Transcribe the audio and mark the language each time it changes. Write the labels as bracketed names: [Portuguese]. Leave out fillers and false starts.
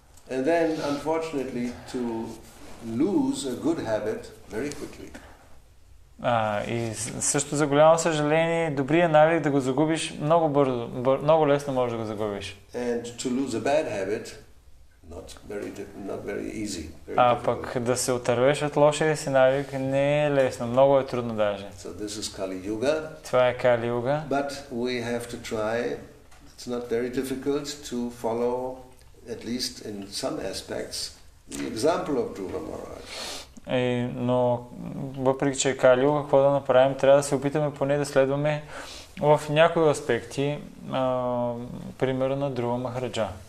[English] And then unfortunately to lose a good habit very quickly. [Bulgarian] И също за голямо съжаление, добрия навик да го загубиш много бързо, много лесно можеш да го загубиш. [English] And to lose a bad habit not very easy. [Bulgarian] А пък да се отървеш от лошия си навик не е лесно, много е трудно даже. [English] So this is Kali Yuga. [Bulgarian] Това е Кали Юга. [English] But we have to try. It's not very difficult to follow at least in some aspects the example of Dhruva Maharaj. [Bulgarian] Но въпреки че е Кали Юга, какво да направим? Трябва да се опитаме поне да следваме в някои аспекти примера на Друва Махараджа.